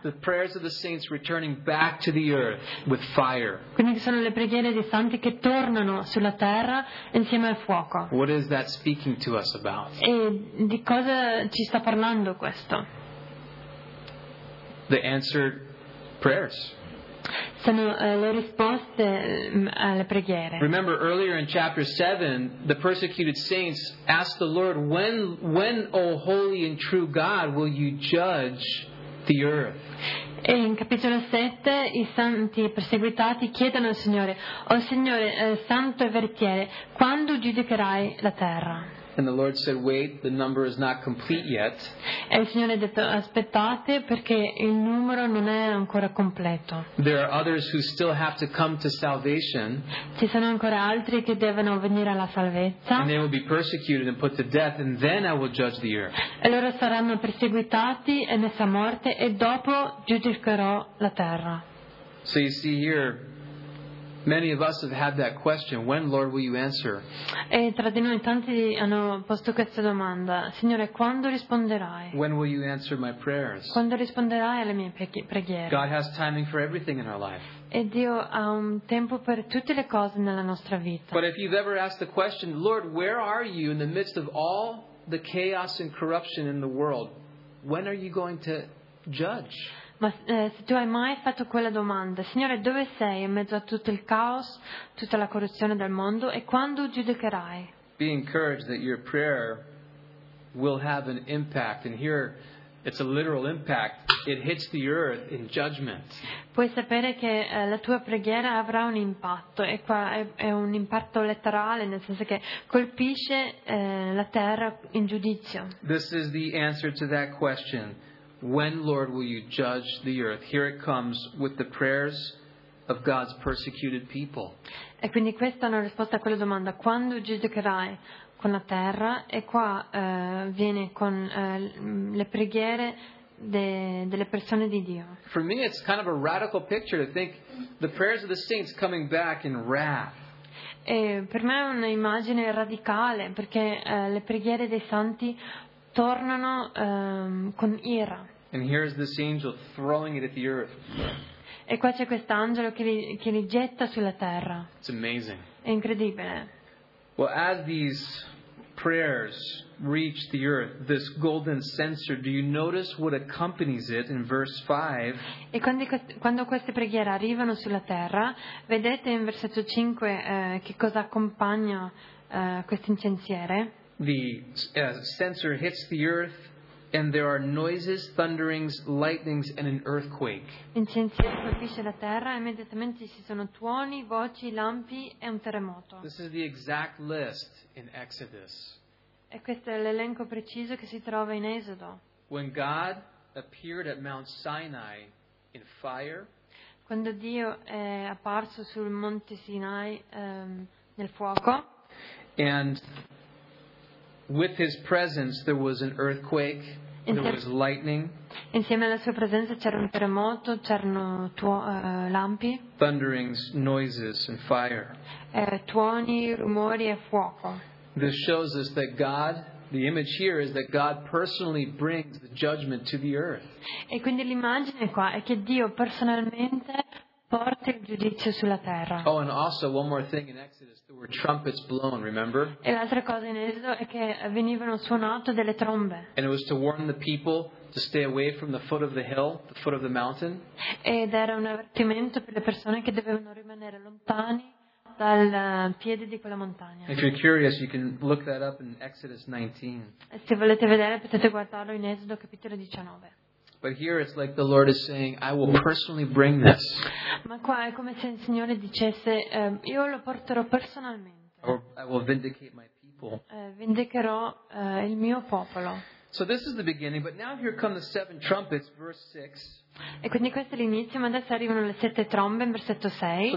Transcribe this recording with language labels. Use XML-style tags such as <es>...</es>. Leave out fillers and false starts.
<en>The prayers of the saints returning back to the earth with fire.</en> <it>Quindi sono le preghiere dei santi che tornano sulla terra insieme al fuoco.</it> <en>What is that speaking to us about?</en> <it>E di cosa ci sta parlando questo?</it> <en>The answered prayers.</en> <it>Sono le risposte alle preghiere.</it> <en>Remember earlier in chapter 7, the persecuted saints asked the Lord, when O holy and true God will you judge the earth?</en> <it>E in capitolo 7 i santi perseguitati chiedono al Signore, O Signore, santo e veritiere, quando giudicherai la terra?</it> <en>And the Lord said, wait, the number is not complete yet.</en> <it>E il Signore ha detto, aspettate perché il numero non è ancora completo.</it> <en>There are others who still have to come to salvation.</en> <it>Ci sono ancora altri che devono venire alla salvezza.</it> <en>And they will be persecuted and put to death, and then I will judge the earth.</en> <it>E loro saranno perseguitati e messi a morte, e dopo giudicherò la terra.</it> <en>So you see here, many of us have had that question, when, Lord, will you answer?</en> <it>E tra di noi tanti hanno posto questa domanda, Signore, quando risponderai?</it> <en>When will you answer my prayers?</en> <it>Quando risponderai alle mie preghiere?</it> <en>God has timing for everything in our life.</en> <it>E Dio ha un tempo per tutte le cose nella nostra vita.</it> <en>But if you've ever asked the question, Lord, where are you in the midst of all the chaos and corruption in the world? When are you going to judge?</en> <it>Ma se tu hai mai fatto quella domanda, Signore, dove sei in mezzo a tutto il caos, tutta la corruzione del mondo, e quando giudicherai?</it> <en>Be encouraged that your prayer will have an impact, and here it's a literal impact. It hits the earth in judgment.</en> <it>Puoi sapere che la tua preghiera avrà un impatto, e qua è un impatto letterale, nel senso che colpisce la terra in giudizio.</it> <en>This is the answer to that question. When, Lord, will you judge the earth? Here it comes with the prayers of God's persecuted people.</en> <it>E quindi questa è una risposta a quella domanda. Quando giudicherai con la terra? E qua viene con le preghiere delle persone di Dio.</it> <en>For me it's kind of a radical picture to think the prayers of the saints coming back in wrath.</en> <it>E per me è un'immagine radicale, perché le preghiere dei santi tornano con ira.</it> <en>And here is this angel throwing it at the earth.</en> <it>E qua c'è quest'angelo che li getta sulla terra.</it> <en>It's amazing.</en> <it>È incredibile.</it> <en>Well, as these prayers reach the earth, this golden censer, do you notice what accompanies it in verse 5?</en> <it>E quando queste preghiere arrivano sulla terra, vedete in versetto 5 che cosa accompagna questo incensiere?</it> <en>The censer hits the earth, and there are noises, thunderings, lightnings, and an earthquake.</en> <it>L'incensiere colpisce la terra, immediatamente ci sono tuoni, voci, lampi e un terremoto.</it> <en>This is the exact list in Exodus.</en> <it>E questo è l'elenco preciso che si trova in Esodo.</it> <en>When God appeared at Mount Sinai in fire.</en> <it>Quando Dio è apparso sul Monte Sinai nel fuoco.</it> <en>And with his presence there was an earthquake. There was lightning.</en> <it>Insieme alla sua presenza c'era un terremoto, c'erano lampi.</it> <en>Thunderings, noises and fire.</en> <it>Tuoni, rumori e fuoco.</it> <en>This shows us that God, the image here is that God personally brings the judgment to the earth.</en> <it>E quindi l'immagine qua è che Dio personalmente porta il giudizio sulla terra.</it> <en>Oh, and also one more thing in Exodus, there were trumpets blown, remember?</en> <it>E l'altra cosa in Esodo è che venivano suonate delle trombe.</it> <en>And it was to warn the people to stay away from the foot of the hill, the foot of the mountain.</en> <it>Ed era un avvertimento per le persone che dovevano rimanere lontani dal piede di quella montagna.</it> <en>If you're curious, you can look that up in Exodus 19.</en> <it>Se volete vedere, potete guardarlo in Esodo capitolo 19.</it> <en>But here it's like the Lord is saying, I will personally bring this.</en> <it>Ma qua è come se il Signore dicesse, io lo porterò personalmente.</it> <en>Or I will vindicate my people.</en> <it>Vindicherò il mio popolo.</it> <en>So this is the beginning, but now here come the seven trumpets, verse 6.</en> <it>E quindi questo è l'inizio, ma adesso arrivano le sette trombe, in versetto 6.</it>